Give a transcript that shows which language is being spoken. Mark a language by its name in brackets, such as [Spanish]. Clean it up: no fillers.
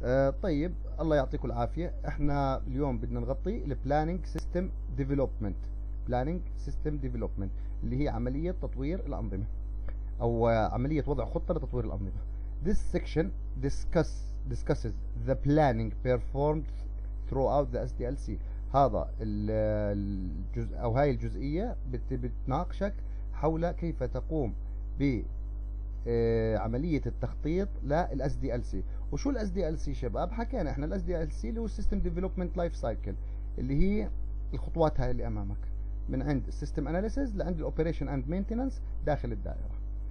[Arabic] طيب الله يعطيكم العافية. احنا اليوم بدنا نغطي البلانينج سيستم ديفلوبمنت، بلانينج سيستم ديفلوبمنت اللي هي عملية تطوير الأنظمة او عملية وضع خطة لتطوير الأنظمة. [English] This section discusses the planning performed throughout the SDLC. [Arabic] هذا الجزء او هاي الجزئية بتناقشك حول كيف تقوم ب عملية التخطيط للـ SDLC. وشو الـ SDLC شباب؟ حكينا احنا الـ SDLC اللي هو System Development Life Cycle، اللي هي الخطوات هاي اللي امامك من عند System Analysis لعند Operation and Maintenance داخل الدائرة.